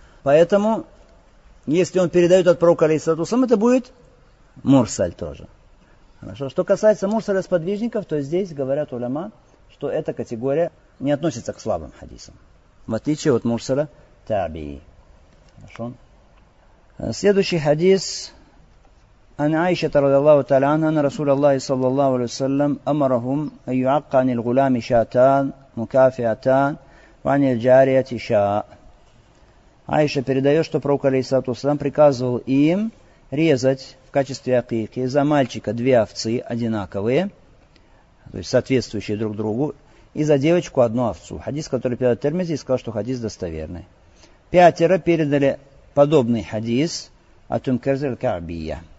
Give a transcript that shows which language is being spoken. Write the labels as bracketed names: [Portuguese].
[Russian] Поэтому, если он передает от пророка, алейхи салату вассалям, это будет мурсаль тоже. Хорошо? Что касается мурсаля сподвижников, то здесь говорят уляма, что эта категория не относится к слабым хадисам. В отличие от мурсаля таби'и. Хорошо? Следующий хадис. [Arabic] عن عائشة رضي الله تعالى عنها أن رسول الله صلى الله عليه وسلم أمرهم أن يعق عن الغلام شاتان مكافئتان وعن الجارية شاء. [Russian] عائشة передает, что пророк алейхи салату вассалям приказывал им резать в качестве акики за мальчика две овцы одинаковые, то есть соответствующие друг другу, и за девочку одну овцу. Хадис, который передал Термизи, сказал, что хадис достоверный. Пятеро передали подобный хадис от Умкерзель Каабия.